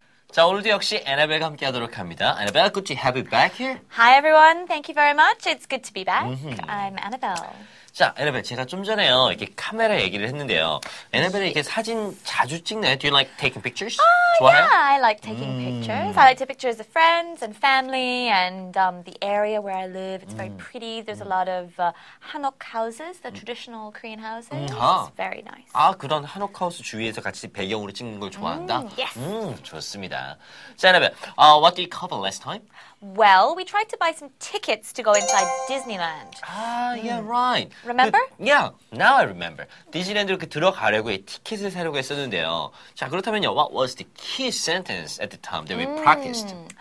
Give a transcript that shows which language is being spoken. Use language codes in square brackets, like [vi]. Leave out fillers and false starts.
[ko] 자, 오늘도 역시 애나벨과 함께하도록 합니다. [en] Annabelle, good to have you back here. Hi, everyone. Thank you very much. It's good to be back. Mm-hmm. I'm Annabelle. [ko] 자, 애나벨, 제가 좀 전에요, 이렇게 카메라 얘기를 했는데요. 애나벨이 이렇게 사진 자주 찍나요? [en] Do you like taking pictures? Yeah, I like taking pictures. I like to take pictures of friends and family and the area where I live. It's very pretty. There's a lot of hanok houses, the traditional Korean houses. It's very nice. [ko] 아, 그런 hanok house 주위에서 같이 배경으로 찍는 걸 좋아한다? [en] Yes. [ko] 좋습니다. 자, 애나벨, [en] what did you cover last time? Well, we tried to buy some tickets to go inside Disneyland. Yeah, right. Remember? Now I remember. [ko] 디즈니랜드로 그 들어가려고 티켓을 사려고 했었는데요. 자, 그렇다면요. [en] What was the key sentence at the time that we practiced?